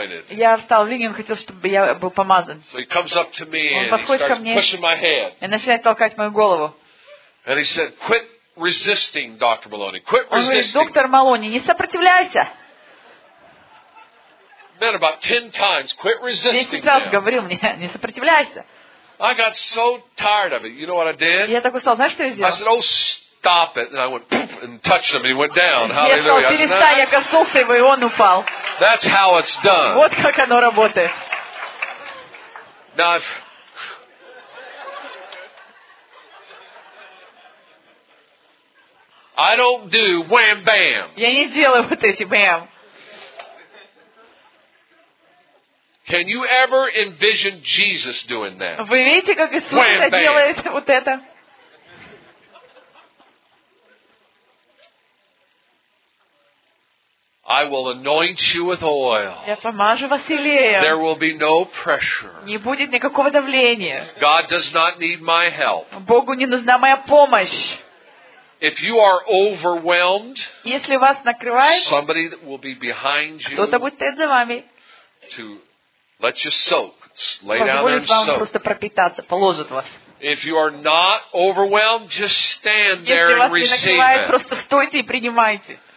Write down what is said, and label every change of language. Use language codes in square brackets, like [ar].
[ru] Я встал в линию, он хотел, чтобы я был помазан. Он подходит ко мне и начинает толкать мою голову. [en] And he said, "Quit resisting, Dr. Maloney. Quit resisting." [ru] Он говорит, доктор Малони, не сопротивляйся. [en] Man, about 10 times, quit resisting. [ru] 10 раз говорил мне, не сопротивляйся. [en] I got so tired of it. You know what I did? [ru] Я так устал. Знаешь, что я сделал? [en] I said, "Oh, stop it!" And I went poof and touched him, and he went down. Hallelujah! [ru] Я сказал, перестань, я коснулся его, и он упал. [en] That's how it's done. [ru] Вот как оно работает. [en] Now, I've, I don't do wham bam. [ru] Я не делаю вот эти бэм. [en] Can you ever envision Jesus doing that? [ru] Вы видите, как Иисус [en] wham, [ru] это делает вот это? [en] I will anoint you with oil. [ru] Я помажу вас елеем. [en] There will be no pressure. [ru] Не будет никакого давления. [en] God does not need my help. [ru] Богу не нужна моя помощь. [en] If you are overwhelmed, [ru] если вас накрывает, [en] somebody will be behind you. [ru] Кто-то будет стоять за вами. [en] To let you soak, lay down and soak. [ru] Позволит вам просто пропитаться, положит вас. [en] If you are not overwhelmed, just stand there and receive. [ru] Если вас не накрывает, просто стойте и принимайте.